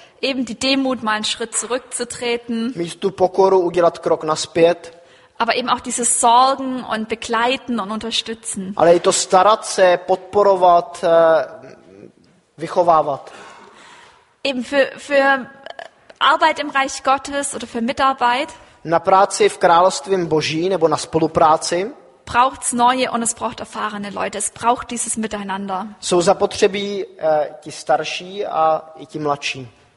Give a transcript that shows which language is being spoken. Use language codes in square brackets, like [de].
[de] Eben die Demut, mal einen Schritt zurückzutreten. [cs] Mít tu pokoru, udělat krok nazpět. [de] Aber eben auch diese Sorgen und begleiten und unterstützen. [cs] Ale i to starat se, podporovat, vychovávat. [de] Eben für Arbeit im Reich Gottes oder für Mitarbeit. [cs] Na práci v království Boží nebo na spolupráci. [de] Braucht's neue und es braucht erfahrene Leute. Es braucht dieses Miteinander. [cs] Jsou zapotřebí ti starší a i ti mladší.